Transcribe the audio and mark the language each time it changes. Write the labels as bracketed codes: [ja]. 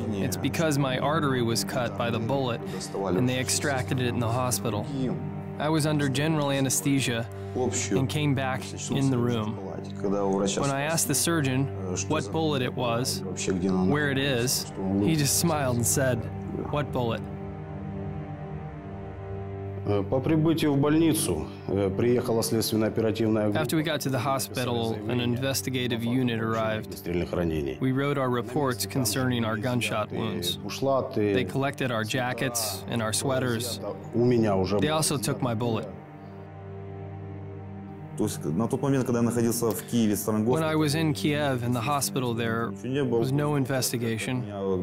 [en] It's because my artery was cut by the bullet and they extracted it in the hospital. I was under general anesthesia and came back in the room. When I asked the surgeon what bullet it was, where it is, he just smiled and said, "What bullet?" [ru] По прибытию в больницу приехала следственная оперативная [en] After we got to the hospital, an investigative unit arrived. We wrote our reports concerning our gunshot wounds. They collected our jackets and our sweaters. They also took my bullet. When I was in Kiev in the hospital there was no investigation.